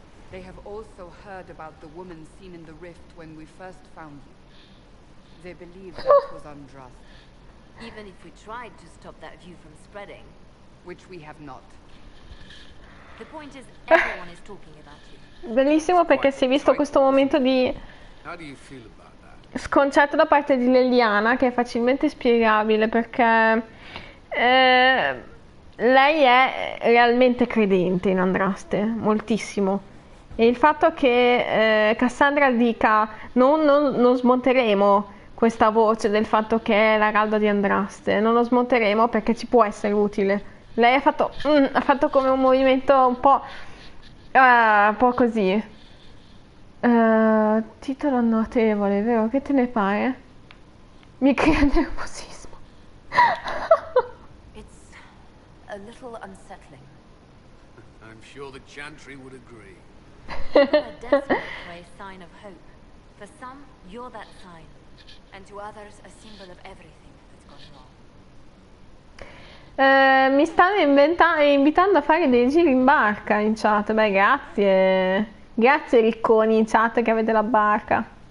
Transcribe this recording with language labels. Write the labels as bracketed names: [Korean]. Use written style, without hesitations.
[English] They have also heard about the woman seen in the rift when we first found you. They believe that was Andraste. Even if we tried to stop that view from spreading. Which we have not. The point is, everyone is talking about you. [Italian] Bellissimo, perché si è visto questo momento di sconcerto da parte di Liliana, che è facilmente spiegabile perché lei è realmente credente in Andraste, moltissimo. E il fatto che Cassandra dica non smonteremo questa voce del fatto che è l'araldo di Andraste, non lo smonteremo perché ci può essere utile. Lei ha fatto come un movimento un po' così. Titolo notevole, vero? Che te ne pare? Mi crea nervosismo. [English] It's a little unsettling. I'm sure the Chantry would agree. A desperate way, sign of hope. For some, you're that sign. And to others, a symbol of everything that's gone wrong. [Italian] Mi stanno invitando a fare dei giri in barca in chat. Beh, grazie. Grazie ricconi in chat che avete la barca.